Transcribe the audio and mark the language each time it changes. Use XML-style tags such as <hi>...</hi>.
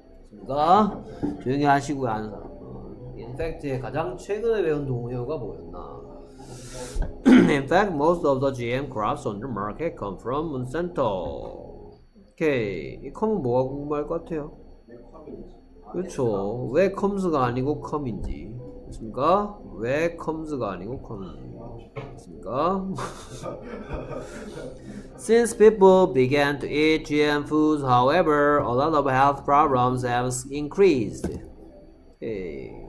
<ko>그러니까 조용히 하시고요. 아는 사람. Infect의 가장 최근에 배운 동의어가 뭐였나?</ko> <en>In fact, most of the GM crops on the market come from Monsanto. 오케이.</en> <ko>이 컴은 뭐가 궁금할 것 같아요? 그렇죠. 왜 컴스가 아니고 컴인지. 그렇습니까? 왜 컴스가 아니고 컴인지. 그렇습니까?</ko> <en>Since people began to eat GM foods, however, a lot of health problems have increased. 오케이.</en>